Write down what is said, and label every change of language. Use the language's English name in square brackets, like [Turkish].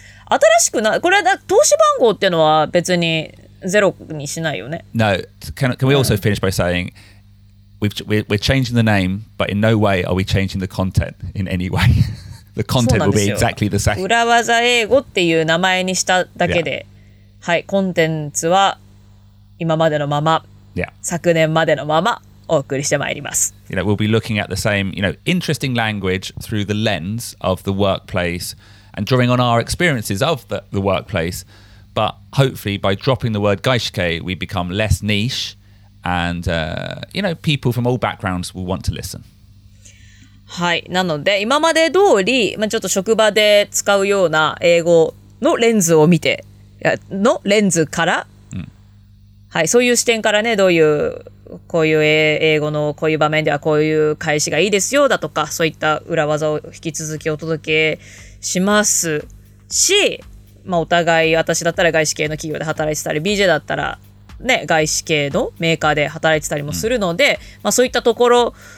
[Japanese] 新しくな、これは投資番号っていうのは別にゼロにしないよね。 [English] No, can we also finish by saying, we're changing the name, but in no way are we changing the content in any way. The content will be exactly the same. [Japanese] 裏技英語っていう名前にしただけで、yeah. はい、コンテンツは今までのまま、 yeah. 昨年までのまま、お送りしてまいります。 [English] You know, we'll be looking at the same, you know, interesting language through the lens of the workplace and drawing on our experiences of the workplace. But hopefully by dropping the word gaishike, we become less niche and, you know, people from all backgrounds will want to listen. [Japanese] はい。なので、今まで通り、まあ、ちょっと職場で使うような英語のレンズを見て、のレンズから、うん、はい、そういう視点からね、どういうこういう英語のこういう場面ではこういう返しがいいですよだとかそういった裏技を引き続きお届けしますし、まあ、お互い私だったら外資系の企業で働いてたり BJ だったら、ね、外資系のメーカーで働いてたりもするので、うん、まあ、そういったところ